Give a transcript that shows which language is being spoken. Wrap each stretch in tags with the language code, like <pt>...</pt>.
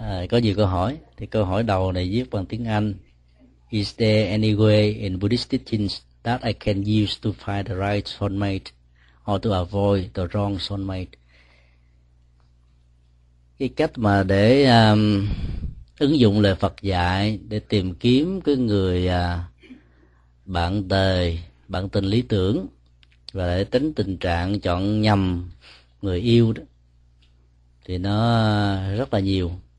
<vi>Có nhiều câu hỏi, thì câu hỏi đầu này viết bằng tiếng Anh.</vi> <en>Is there any way in Buddhist teachings that I can use to find the right soulmate or to avoid the wrong soulmate?</en> <vi>Cái cách mà để ứng dụng lời Phật dạy để tìm kiếm cái người bạn đời, bạn tình lý tưởng và để tránh tình trạng chọn nhầm người yêu đó, thì nó rất là nhiều.</vi>